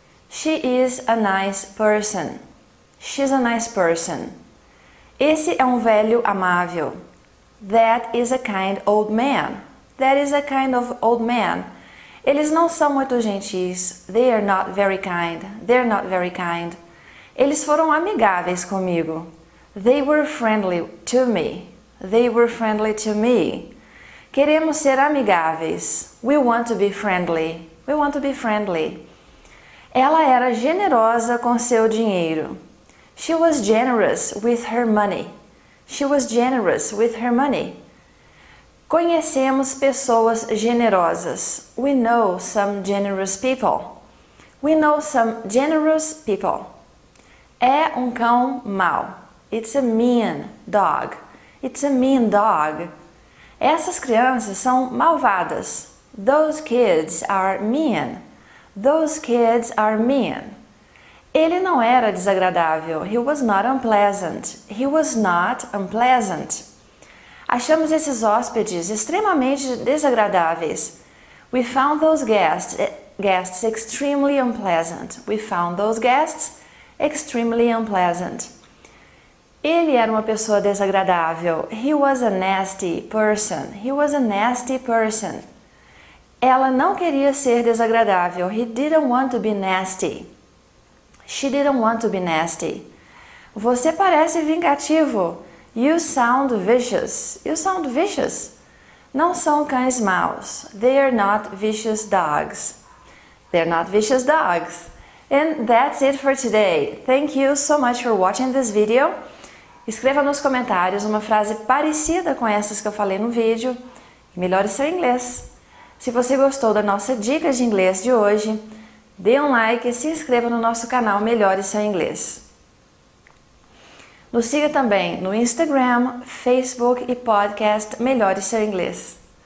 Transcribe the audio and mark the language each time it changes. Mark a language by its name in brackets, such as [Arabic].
[English] She is a nice person. She's a nice person. [Portuguese] Esse é um velho amável. [English] That is a kind old man. That is a kind of old man. [Portuguese] Eles não são muito gentis. [English] They are not very kind. They're not very kind. [Portuguese] Eles foram amigáveis comigo. [English] They were friendly to me. They were friendly to me. [Portuguese] Queremos ser amigáveis. [English] We want to be friendly. We want to be friendly. [Portuguese] Ela era generosa com seu dinheiro. [English] She was generous with her money. She was generous with her money. [Portuguese] Conhecemos pessoas generosas. [English] We know some generous people. We know some generous people. [Portuguese] É um cão mau. [English] It's a mean dog. It's a mean dog. [Portuguese] Essas crianças são malvadas. [English] Those kids are mean. Those kids are mean. [Portuguese] Ele não era desagradável. [English] He was not unpleasant. He was not unpleasant. [Portuguese] Achamos esses hóspedes extremamente desagradáveis. [English] We found those guests extremely unpleasant. We found those guests extremely unpleasant. [Portuguese] Ele era uma pessoa desagradável. [English] He was a nasty person. He was a nasty person. [Portuguese] Ela não queria ser desagradável. [English] He didn't want to be nasty. She didn't want to be nasty. [Portuguese] Você parece vingativo. [English] You sound vicious. You sound vicious. [Portuguese] Não são cães maus. [English] They are not vicious dogs. They are not vicious dogs. And that's it for today. Thank you so much for watching this video. [Portuguese] Escreva nos comentários uma frase parecida com essas que eu falei no vídeo. Melhore seu inglês. Se você gostou da nossa dica de inglês de hoje, dê um like e se inscreva no nosso canal Melhore Seu Inglês. Nos siga também no Instagram, Facebook e podcast Melhore Seu Inglês.